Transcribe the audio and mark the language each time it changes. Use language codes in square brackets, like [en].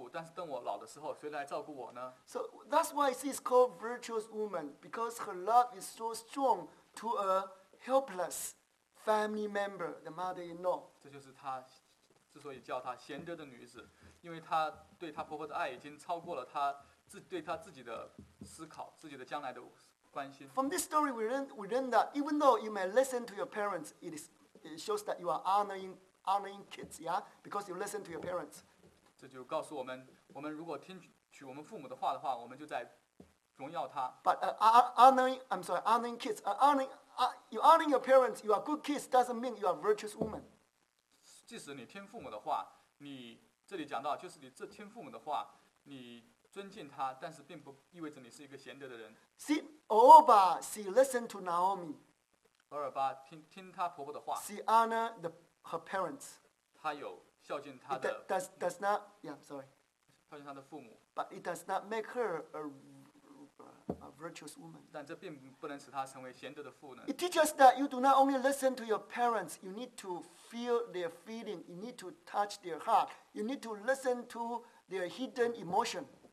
[zh] 她并没有去思考说我的婆婆还有我可以照顾，但是等我老的时候谁来照顾我呢？ [en] So that's why she's called virtuous woman, because her love is so strong to a helpless family member, the mother-in-law. [zh] 这就是她之所以叫她贤德的女子。因为他对他婆婆的爱已经超过了他自己的思考，自己的将来的关心。 [en] From this story, we learn that even though you may listen to your parents, it shows that you are honoring kids, yeah, because you listen to your parents. [zh] 这就告诉我们，我们如果听取我们父母的话的话，我们就在荣耀他。 [en] But honoring kids, you honoring your parents, you are good kids doesn't mean you are virtuous woman. [zh] 即使你听父母的话，你 这里讲到，就是你这听父母的话，你尊敬他，但是并不意味着你是一个贤德的人。 [en] See, Orpa, she listened to Naomi. [zh] 俄尔巴听她婆婆的话。 [en] She honored her parents. [zh] 她有孝敬她的。孝敬她的父母。 [en] But it does not make her a virtuous woman. [zh] 但这并不能使她成为贤德的妇人。 [en] It teaches that you do not only listen to your parents, you need to feel their feeling, you need to touch their heart, you need to listen to their hidden emotion.